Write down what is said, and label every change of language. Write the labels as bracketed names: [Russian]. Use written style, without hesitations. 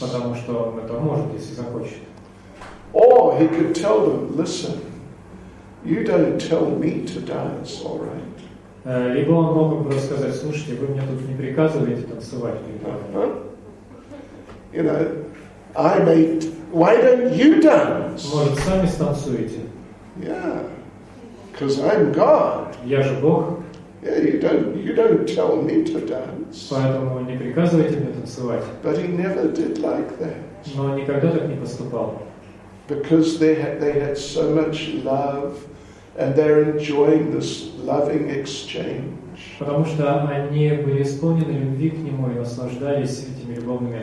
[Russian] Потому что он это может, если захочет. [English] Or he could tell them, listen, you don't tell me to dance, all right? [Russian] Либо он мог бы сказать, слушайте, вы мне тут не приказываете танцевать. [English] You know, I may. Why don't you dance? [Russian] Может, сами станцуете? [English] Yeah, because I'm God. [Russian] Я же Бог. [English] Yeah, you don't tell me to dance. [Russian] Поэтому не приказывайте мне танцевать. [English] But he never did like that. [Russian] Но он никогда так не поступал. [English] Because they had so much love. And they're enjoying this loving exchange. [Russian] Потому что они были исполнены любви к Нему и наслаждались этими любовными